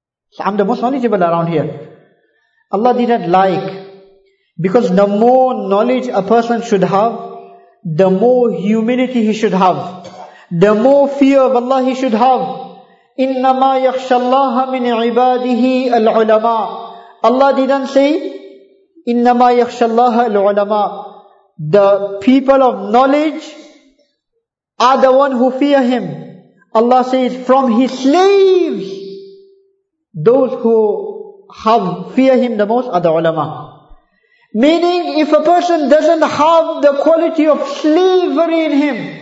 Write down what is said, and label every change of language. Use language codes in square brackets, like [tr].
[en] So I'm the most knowledgeable around here. Allah didn't like. Because the more knowledge a person should have, the more humility he should have. The more fear of Allah he should have. [ar] إِنَّمَا يَخْشَ اللَّهَ مِنْ عِبَادِهِ الْعُلَمَاءِ. [en] Allah didn't say, [ar] إِنَّمَا يَخْشَ اللَّهَ الْعُلَمَاءِ. [en] The people of knowledge are the one who fear him. Allah says, from his slaves, those who have fear him the most are the ulama. Meaning, if a person doesn't have the quality of slavery in him,